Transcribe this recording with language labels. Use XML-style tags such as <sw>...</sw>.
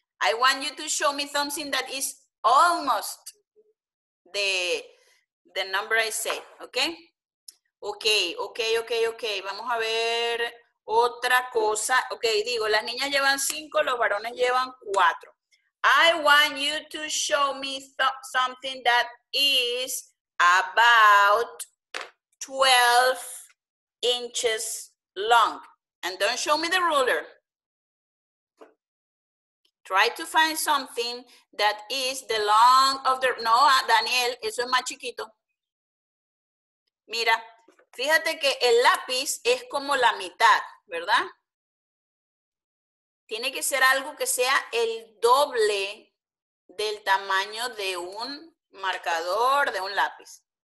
<en>I want you to show me something that is almost the number I say, okay?</en> <es>Okay. Vamos a ver otra cosa. Okay, digo, las niñas llevan 5, los varones llevan 4.</es> <en>I want you to show me something that is about 12 inches long, and don't show me the ruler. Try to find something that is the long of the...</en> <es>No, Daniel, eso es más chiquito. Mira, fíjate que el lápiz es como la mitad, ¿verdad? Tiene que ser algo que sea el doble del tamaño de un marcador, de un lápiz.</es>